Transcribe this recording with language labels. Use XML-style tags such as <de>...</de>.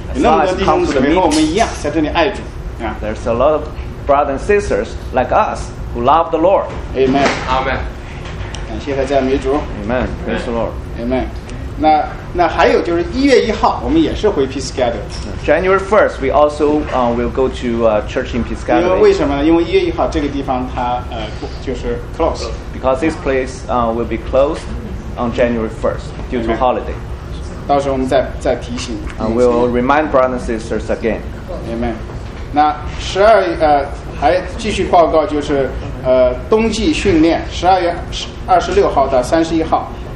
<zh>那么多弟兄姊妹和我们一样，在这里爱主。</zh> <en>There's a lot of brothers and sisters like us who love the Lord. Amen. Amen.</en> <zh>感谢他赞美主。</zh> <en>Amen. Praise the Lord.</en> <zh>Amen. 那还有就是一月一号，我们也是回 Piscataway。</zh> <en>January 1st, we also will go to church in Piscataway。</en> <zh>因为什么呢？因为一月一号这个地方它就是</zh> <en>close。 Because this place will be closed on January 1st due to holiday。</en> <zh>到时候我们再提醒。</zh> <en>We'll remind brothers and sisters again。 Amen。</en> <zh>那十二还继续报告就是冬季训练，12月26号到31号。</zh>